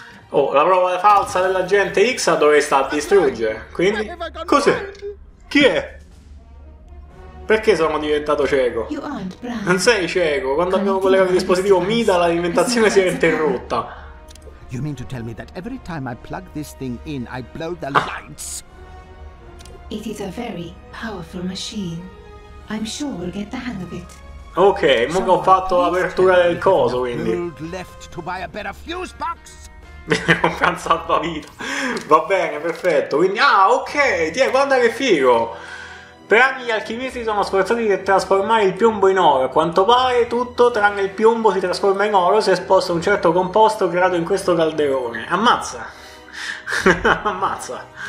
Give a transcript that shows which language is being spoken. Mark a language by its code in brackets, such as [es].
[it] Oh, la prova falsa dell'agente X dovrei sta a distruggere. Quindi, cos'è? Chi è? Perché sono diventato cieco? Non sei cieco. Quando abbiamo collegato il dispositivo Mida, l'alimentazione si è interrotta. [en] You mean to tell me that every time I plug this thing in, I blow the lights? It is a very powerful machine. I'm sure we'll get the hang of it. [it] Ok, mo che ho fatto l'apertura del coso, quindi. [en] Left to buy a better fuse box. [it] Un salvavita. Va bene, perfetto. Quindi, ah, ok, tiè, guarda che figo. Per anni gli alchimisti sono sforzati di trasformare il piombo in oro. A quanto pare tutto tranne il piombo si trasforma in oro se esposto a un certo composto creato in questo calderone. Ammazza. Ammazza.